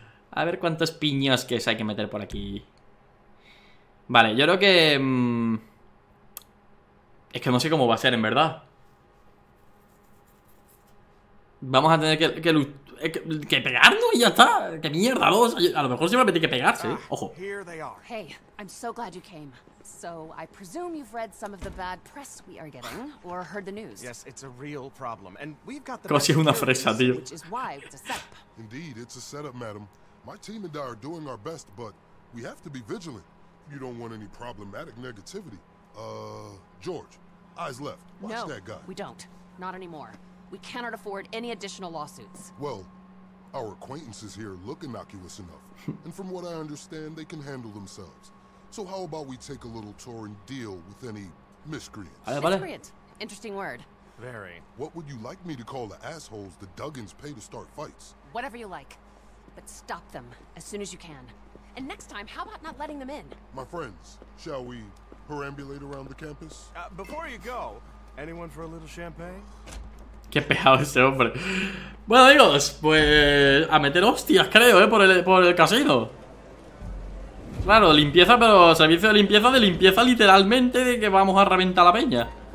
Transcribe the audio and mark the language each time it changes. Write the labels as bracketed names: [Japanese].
[Spanish] A ver cuántos piños que hay que meter por aquí. Vale, yo creo que... Es que no sé cómo va a ser, en verdad. Vamos a tener que pegarnos y ya está. ¡Qué mierda! A lo mejor siempre hay que pegarse, ¿eh? Ojo. [English] Hey, I'm so glad you came. So, I presume you've read some of the bad press we are getting, or heard the news. Yes, it's a real problem, and we've got the... [Spanish] Casi es una fresa, tío. [English] Which is why it's a setup. Indeed, it's a setup, madam. My team and I are doing our best, but we have to be vigilant. You don't want any problematic negativity. George, eyes left. Watch that guy. No, we don't. Not anymore. We cannot afford any additional lawsuits. Well, our acquaintances here look innocuous enough, and from what I understand, they can handle themselves. So how about we take a little tour and deal with any miscreants? Miscreant. Interesting word. Very. What would you like me to call the assholes the Duggins pay to start fights? Whatever you like. But stop them as soon as you can. And next time, how about not letting them in? My friends, shall we perambulate around the campus? Before you go, anyone for a little champagne? [Spanish] Qué pejado ese hombre. Bueno, amigos, pues a meter hostias, creo, por el casino. Claro, limpieza, pero servicio de limpieza literalmente de que vamos a reventar la peña.